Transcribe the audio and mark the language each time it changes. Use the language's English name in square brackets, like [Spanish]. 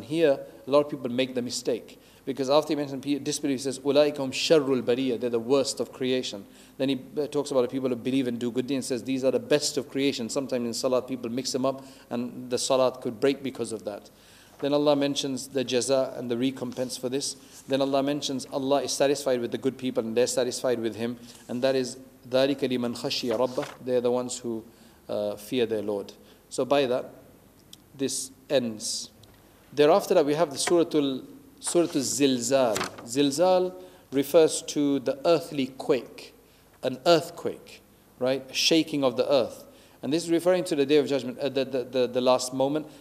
[English] And here, a lot of people make the mistake. Because after He mentions disbelief, He says, [Arabic] Ulaikum sharrul bariyah, [English] they're the worst of creation. Then He talks about the people who believe and do good deeds, and says, these are the best of creation. Sometimes in salat, people mix them up, and the salat could break because of that. Then Allah mentions the jaza and the recompense for this. Then Allah mentions Allah is satisfied with the good people and they're satisfied with Him. And that is, [Arabic] ذَلِكَ لِمَنْ خَشِيَ رَبَّهُ. [English] They're the ones who fear their Lord. So by that, this ends. Thereafter that, we have the Suratul Zilzal. Zilzal refers to the earthly quake, an earthquake, right? Shaking of the earth. And this is referring to the Day of Judgment, the last moment.